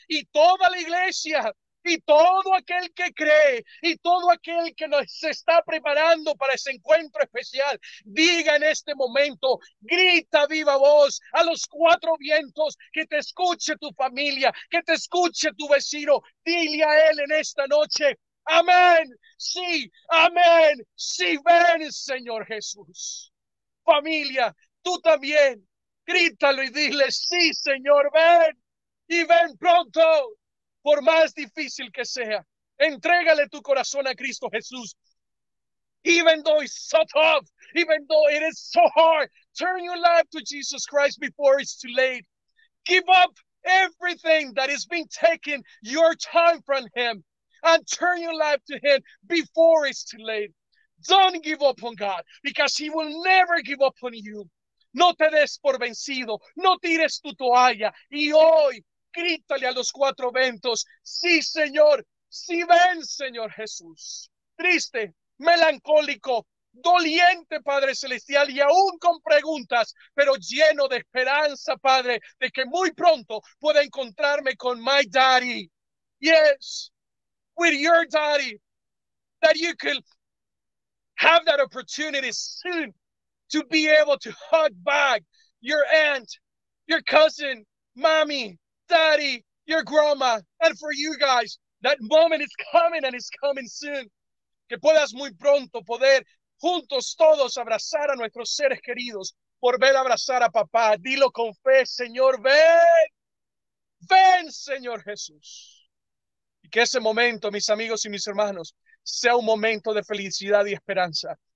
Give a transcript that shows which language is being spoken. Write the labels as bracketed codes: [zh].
[es] Y toda la iglesia y todo aquel que cree y todo aquel que nos está preparando para ese encuentro especial, diga en este momento, grita viva voz a los cuatro vientos, que te escuche tu familia, que te escuche tu vecino, dile a él en esta noche: amén, sí, amén, sí, ven Señor Jesús. Familia, tú también, grítalo y dile: sí Señor, ven y ven pronto. Por más difícil que sea, entrégale tu corazón a Cristo Jesús. [en] Even though it's so tough, even though it is so hard, turn your life to Jesus Christ before it's too late. Give up everything that has been taking your time from Him and turn your life to Him before it's too late. Don't give up on God, because He will never give up on you. [es] No te des por vencido, no tires tu toalla, y hoy grítale a los cuatro vientos: sí, Señor, sí, ven, Señor Jesús. Triste, melancólico, doliente, Padre Celestial, y aún con preguntas, pero lleno de esperanza, Padre, de que muy pronto pueda encontrarme con [en] my daddy. Yes, with your daddy, that you could have that opportunity soon to be able to hug back your aunt, your cousin, mommy, daddy, your grandma, and for you guys, that moment is coming and it's coming soon. [es] Que puedas muy pronto poder juntos todos abrazar a nuestros seres queridos, volver a abrazar a papá. Dilo con fe: Señor, ven, ven, Señor Jesús. Y que ese momento, mis amigos y mis hermanos, sea un momento de felicidad y esperanza.